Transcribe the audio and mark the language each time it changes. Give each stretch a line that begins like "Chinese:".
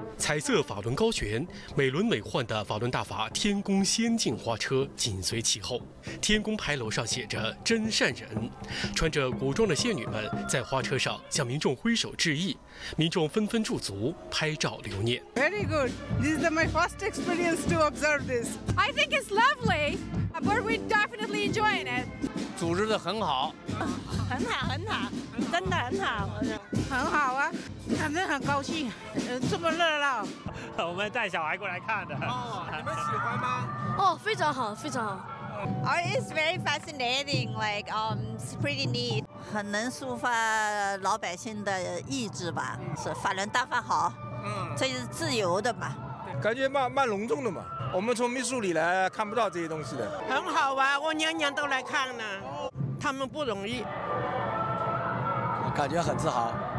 Chinese: 彩色法轮高悬，美轮美奂的法轮大法天宫仙境花车紧随其后。天宫牌楼上写着“真善人”，穿着古装的仙女们在花车上向民众挥手致意，民众纷纷驻足拍照留念。
English: Very good. This is my first experience to observe this. I think it's lovely, but we're definitely enjoying it.
Chinese: 组织得很好，很好，很好，真的很好，很好啊。反正很高兴，这么热闹。我们带小孩过来看的。哦，你们喜欢吗？哦，非常好，非常好。
English: Oh, it's very fascinating, like it's pretty neat.
Chinese: 很能抒发老百姓的意志吧，是法轮大法好。嗯，这是自由的嘛。感觉蛮隆重的嘛。我们从密苏里来，看不到这些东西的。很好吧，我年年都来看呢。他们不容易。我感觉很自豪。